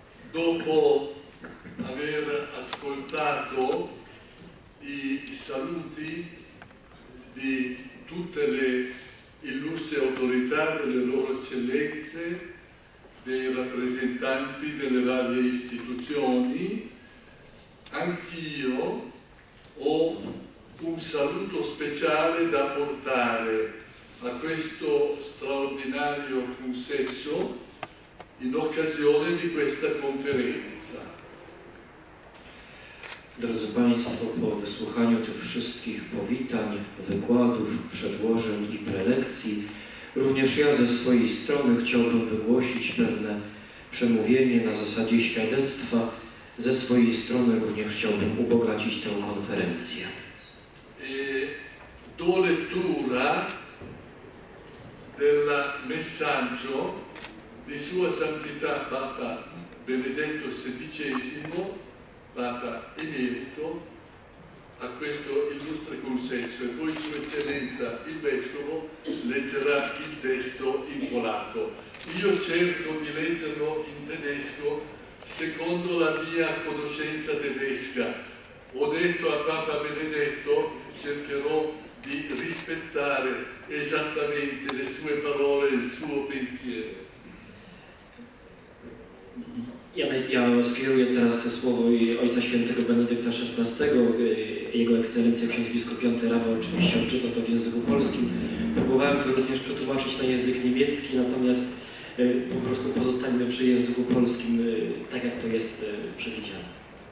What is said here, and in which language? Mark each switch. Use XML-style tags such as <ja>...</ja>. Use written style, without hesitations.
<it>Dopo aver ascoltato i saluti di tutte le illustre autorità, delle loro eccellenze, dei rappresentanti delle varie istituzioni, anch'io ho un saluto speciale da portare a questo straordinario consesso in occasione di questa conferenza.</it> <pl>Drodzy Państwo, po wysłuchaniu tych wszystkich powitań, wykładów, przedłożeń i prelekcji, również ja ze swojej strony chciałbym wygłosić pewne przemówienie na zasadzie świadectwa. Ze swojej strony również chciałbym ubogacić tę konferencję.</pl> <it>Do lettura del messaggio di Sua Santità Papa Benedetto XVI, Papa Emerito, a questo illustre consesso, e poi Sua Eccellenza il Vescovo leggerà il testo in polacco. Io cerco di leggerlo in tedesco secondo la mia conoscenza tedesca. Ho detto a Papa Benedetto, cercherò di rispettare esattamente le sue parole e il suo pensiero.</it> <pl>Ja skieruję teraz te słowo i Ojca Świętego Benedykta XVI, Jego Ekscelencja Ksiądz Biskup Piąty Rawa oczywiście odczyta to w języku polskim. Próbowałem to również przetłumaczyć na język niemiecki, natomiast po prostu pozostańmy przy języku polskim, tak jak to jest przewidziane.</pl>